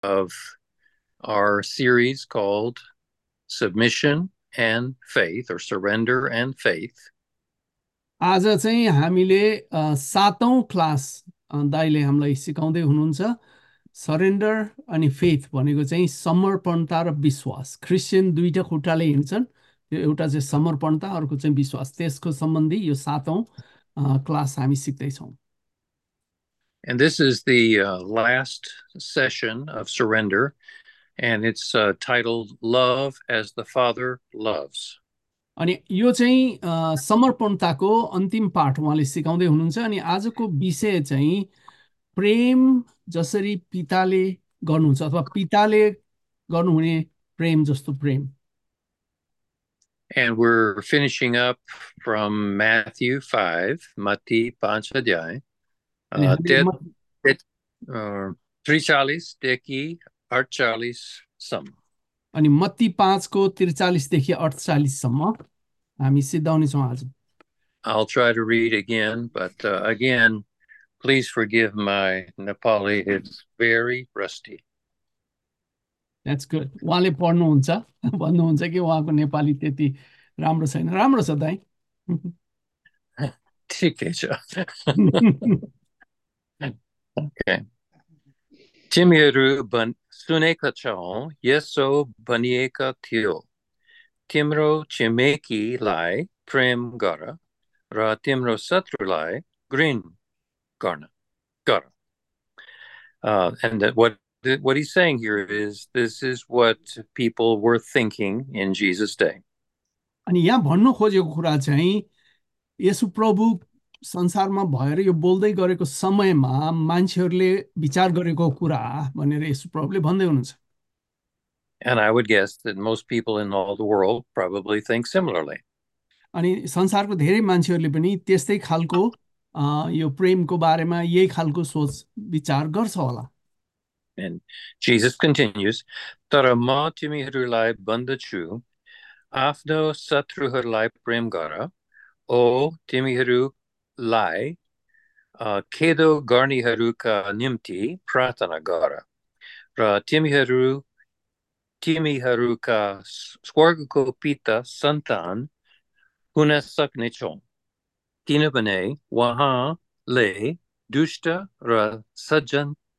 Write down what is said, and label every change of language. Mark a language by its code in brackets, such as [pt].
[en] of our series called Submission and Faith, or Surrender and Faith. [ne] आज चाहिँ हामीले सातौँ क्लास दाइले हामीलाई सिकाउँदै हुनुहुन्छ सरेन्डर अनि फेथ भनेको चाहिँ समर्पणता र विश्वास क्रिस्चियन दुईवटा खुट्टाले हिँड्छन् त्यो एउटा चाहिँ समर्पणता अर्को चाहिँ विश्वास त्यसको सम्बन्धी यो सातौँ क्लास हामी सिक्दैछौँ [en] And this is the last session of Surrender, and it's titled Love as the Father Loves. [ne] अनि यो चाहिँ समर्पणताको अन्तिम पाठ उहाँले सिकाउँदै हुनुहुन्छ अनि आजको विषय चाहिँ प्रेम जसरी पिताले गर्नुहुन्छ अथवा पिताले गर्नुहुने प्रेम जस्तो प्रेम [en] And we're finishing up from Matthew 5, Matthew 5 अध्याय. [ne] अनि मत्ती पाँचको 43 देखि 48 सम्म हामी सिद्धाउनेछौँ आज [en] I'll try to read again, but again, please forgive my Nepali. It's very rusty. That's good. [ne] उहाँले पढ्नुहुन्छ भन्नुहुन्छ कि उहाँको नेपाली त्यति राम्रो छैन राम्रो छ दाइ ठिकै छ. Okay. तिमीहरू सुनेका छौ यसो भनिएका थियो तिम्रो छिमेकीलाई प्रेम गर र तिम्रो शत्रुलाई घृण गर्न गर. [en] And what he's saying here is this is what people were thinking in Jesus' day. [ne] अनि यहाँ भन्नु खोजेको कुरा चाहिँ यसु प्रभु संसारमा भएर यो बोल्दै गरेको समयमा मान्छेहरूले विचार गरेको कुरा भनेर यसु प्रभुले भन्दै हुनुहुन्छ [en] And I would guess that most people in all the world probably think similarly. [ne] अनि संसारको धेरै मान्छेहरूले पनि त्यस्तै खालको यो प्रेमको बारेमा यही खालको सोच विचार गर्छ होला [en] And Jesus continues, [ne] तर म तिमीहरूलाई भन्दछु आफ्नो शत्रुहरूलाई प्रेम गर ओ तिमीहरूलाई खेदो गर्नेहरूका निम्ति प्रार्थना गर र तिमीहरूका स्वर्गको पिता सन्तान हुन सक्नेछौ किनभने उहाँले दुष्ट र सज्जन